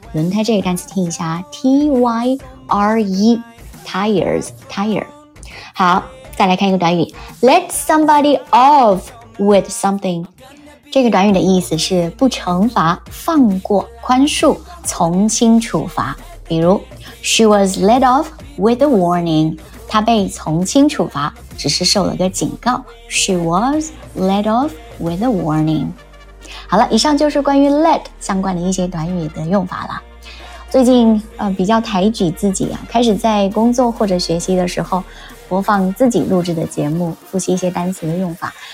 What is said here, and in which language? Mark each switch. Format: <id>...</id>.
<zh>轮胎这个单词听一下 ，T-Y-R-E, tires, tire. 好，再来看一个短语 ，</zh> <en>let somebody off with something.</en> <zh>这个短语的意思是不惩罚、放过、宽恕、从轻处罚。比如</zh> <en>，She was let off with a warning.</en> <zh>她被从轻处罚，只是受了个警告。</zh> <en>She was let off with a warning.</en> <zh>好了，以上就是关于 let 相关的一些短语的用法了。最近比较抬举自己啊，开始在工作或者学习的时候播放自己录制的节目，复习一些单词的用法。</zh>